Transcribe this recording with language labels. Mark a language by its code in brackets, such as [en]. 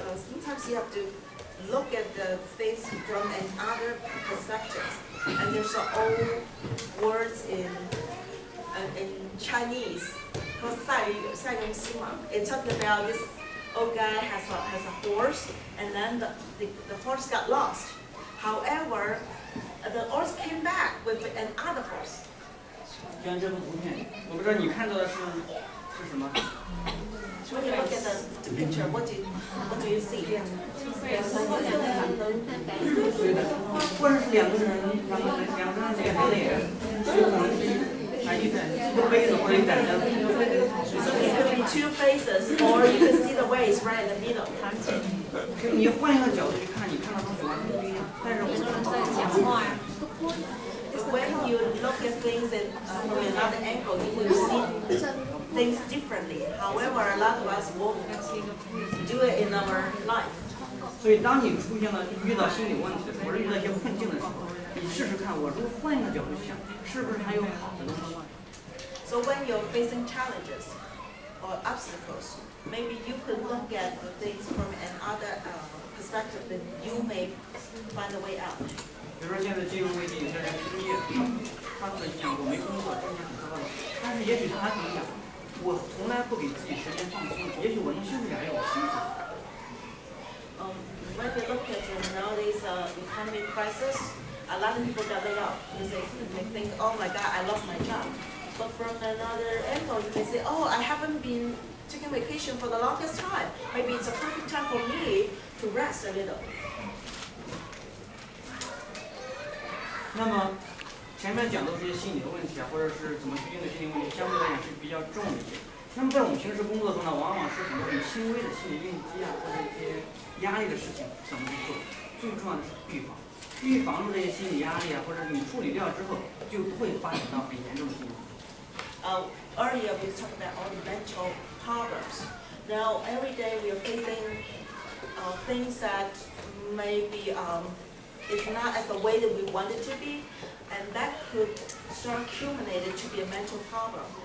[en] Sometimes you have to look at the things from another perspective, and there's an old words in Chinese called 塞翁失马. It talks about this. Old guy has a horse, and then the horse got lost. However, the horse came back with another horse. [zh] 就像这部图片，我不知道你看到的是什么。 [en] So you look at the picture, what do you see? [zh] 或者是两个人，两个人脸对脸， [en] So it's going to be two faces, or you can see the waves right in the middle. [zh] 你换一个角度去看，你看到东西完全不一样。但是我们在讲话。 [en] When you look at things from another angle, you will see things differently. However, a lot of us won't do it in our life. [zh] 所以当你出现了遇到心理问题，或者遇到一些困境的时候，你试试看，我如果换一个角度想，是不是还有好的东西？ [en] So when you're facing challenges or obstacles, maybe you could look at the things from another perspective that you may find a way out. [zh] 比如说现在金融危机，有些人失业，他可能想我没工作，今天很糟糕。但是也许他还可能想，我从来不给自己时间放松，也许我能休息两天，我休息。 [en] When you look at nowadays economic crisis, a lot of people got laid off. They think, oh my God, I lost my job. But from another angle, you can say, oh, I haven't been taking vacation for the longest time. Maybe it's a perfect time for me to rest a little. [zh] 那么前面讲到这些心理的问题啊，或者是怎么去应对心理问题，相对来讲是比较重一些。那么在我们平时工作中呢，往往是很多很轻微的心理应激啊，或者一些压力的事情怎么去做，最重要的是预防。预防住这些心理压力啊，或者你处理掉之后，就不会发展到很严重的病。 [en] Earlier we talked about all the mental problems. Now every day we are facing things that maybe it's not as the way that we want it to be, and that could start accumulated to be a mental problem.